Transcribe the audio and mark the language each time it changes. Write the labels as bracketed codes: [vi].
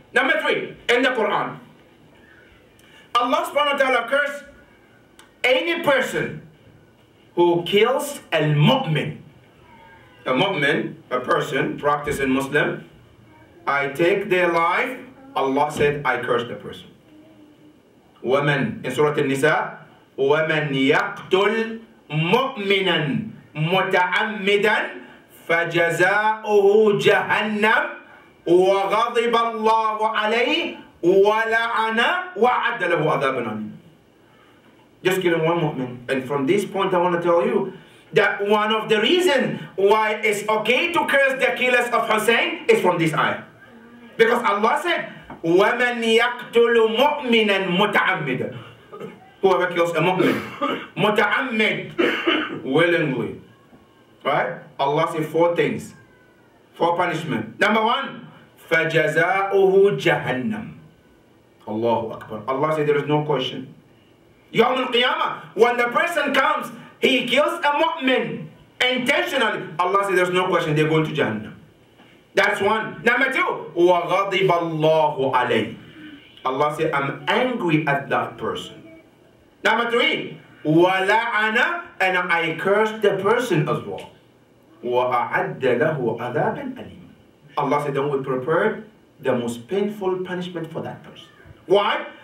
[en] Number three, in the Quran, Allah subhanahu wa ta'ala curse any person who kills al-mu'min. A mu'min, a person practicing Muslim, I take their life, Allah said, I curse the person. Woman, in Surah An-Nisa, [ar] وَمَنْ يَقْتُلْ مُؤْمِنًا مُتَعَمِّدًا فَجَزَاؤُهُ جَهَنَّمْ وَغَضِبَ اللَّهُ عَلَيْهِ وَلَعَنَ وَعَدَّ لَهُ عَذَابًا عَلِيمًا. [en] Just killing one mu'min. And from this point I want to tell you that one of the reasons why it's okay to curse the killers of Hussein is from this ayah. Because Allah said, [ar] وَمَنْ يَقْتُلُ مُؤْمِنًا مُتَعَمِّدًا. [en] Whoever kills a mu'min, muta'ammid, willingly. Right? Allah says four things, four punishment. Number one, [ar] فَجَزَاؤُهُ جَهَنَّمْ. [en] Allahu Akbar. Allah says there is no question. [ar] يَوْمُ الْقِيَامَةِ. [en] When the person comes, he kills a mu'min intentionally. Allah says there is no question, they're going to Jahannam. That's one. Number two, [ar] وَغَضِبَ اللَّهُ عَلَيْهِ. [en] Allah says, I'm angry at that person. Number three, [ar] وَلَعَنَا, [en] and I cursed the person as well. [ar] وَأَعَدَّ لَهُ عَذَابًا أَلِيمًا. [en] Allah said, then we prepared the most painful punishment for that person. Why?